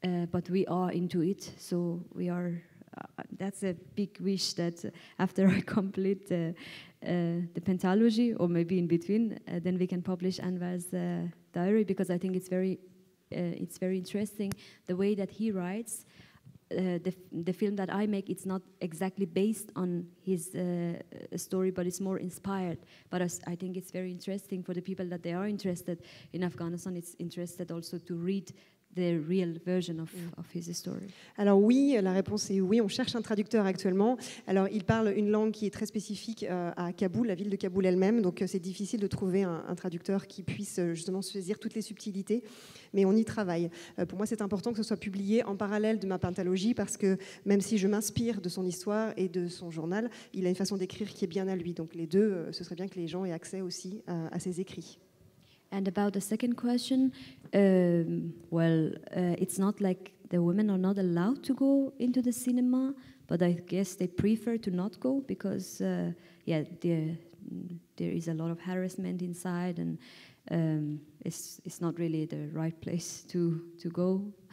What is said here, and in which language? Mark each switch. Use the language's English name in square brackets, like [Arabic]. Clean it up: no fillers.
[English] But we are into it, so we are. That's a big wish that after I complete the Pentalogy, or maybe in between, then we can publish Anwar's diary, because I think it's very interesting the way that he writes. The film that I make, it's not exactly based on his story, but it's more inspired. But I think it's very interesting for the people that they are interested in Afghanistan. It's interested also to read the real version of his story. [French] Alors oui, la réponse est oui, on cherche un traducteur actuellement. Alors il parle une langue qui est très spécifique à Kaboul, la ville de Kaboul elle-même, donc c'est difficile de trouver un traducteur qui puisse justement saisir toutes les subtilités, mais on y travaille. Pour moi, c'est important que ce soit publié en parallèle de ma Pentalogie, parce que même si je m'inspire de son histoire et de son journal, il a une façon d'écrire qui est bien à lui, donc les deux, ce serait bien que les gens aient accès aussi à ses écrits. [English] And about the second question, it's not like the women are not allowed to go into the cinema, but I guess they prefer to not go because, there is a lot of harassment inside, and it's not really the right place to go.